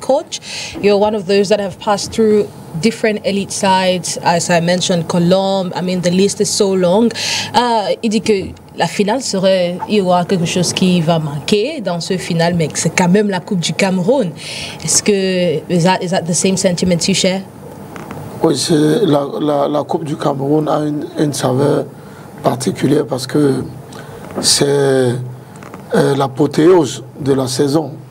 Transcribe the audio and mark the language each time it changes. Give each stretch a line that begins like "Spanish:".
English: Coach, you're one of those that have passed through different elite sides, as I mentioned, Colombe, I mean, the list is so long.
French: Il dit que la finale serait, il y aura quelque chose qui va manquer dans ce final, mais que c'est quand même la Coupe du Cameroun. Est-ce que,
English: is that the same sentiment you share?
French: Oui, c'est la Coupe du Cameroun a une saveur particulière parce que c'est l'apothéose de la saison.